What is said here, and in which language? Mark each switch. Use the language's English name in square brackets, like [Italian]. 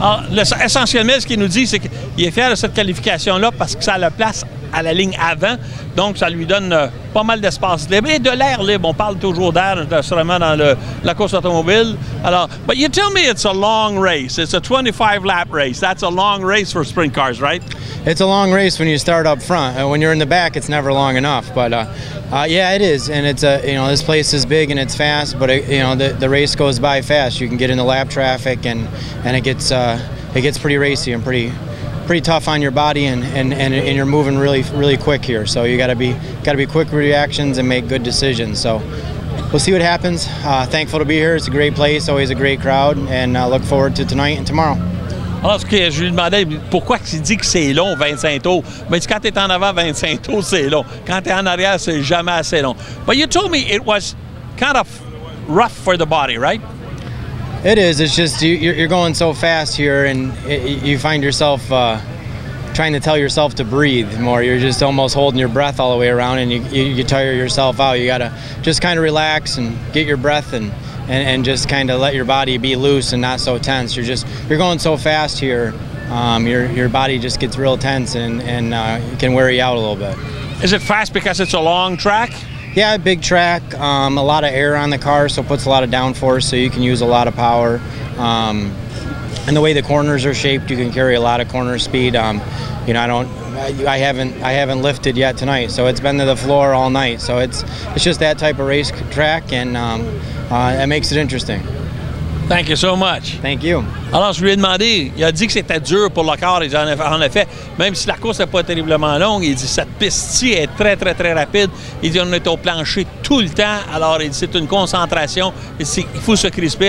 [French] Essentiellement, ce qu'il nous dit, c'est qu'il est fier de cette qualification-là parce que ça le place à la ligne avant. Donc, ça lui donne pas mal d'espace libre et de l'air libre. On parle toujours d'air, justement, dans la course automobile. Alors, [English] but you tell me it's a long race. It's a 25-lap race. That's a long race for sprint cars, right? It's a long race when you start up front. When you're in the back, it's never long enough. But, yeah, it is. And it's, you know, this place is big and it's fast, but, it, you know, the race goes by fast. You can get into lap traffic and it gets pretty racy and pretty tough on your body and you're moving really, really quick here. So you gotta be quick reactions and make good decisions. So we'll see what happens. Thankful to be here. It's a great place, always a great crowd, and look forward to tonight and tomorrow. [French] Alors, ce que je lui demandais, pourquoi il dit que c'est long, 25 tours? Mais quand tu es en avant, 25 tours, c'est long. Quand tu es en arrière, c'est jamais assez long. [English] But you told me it was kind of rough for the body, right? It is. It's just you're going so fast here, and you find yourself trying to tell yourself to breathe more. You're just almost holding your breath all the way around, and you tire yourself out. You got to just kind of relax and get your breath and just kind of let your body be loose and not so tense. You're going so fast here, your body just gets real tense and can wear you out a little bit. Is it fast because it's a long track? Yeah, big track, a lot of air on the car, so it puts a lot of downforce, so you can use a lot of power. And the way the corners are shaped, you can carry a lot of corner speed. You know, I haven't lifted yet tonight, so it's been to the floor all night. So it's just that type of race track, and it makes it interesting. Thank you so much. Thank you. [French] Alors, je lui ai demandé, il a dit que c'était dur pour le car, et en effet, même si la course n'est pas terriblement longue, il dit que cette piste-ci est très, très, très rapide. Il dit qu'on est au plancher tout le temps, alors il dit c'est une concentration, il faut se crisper.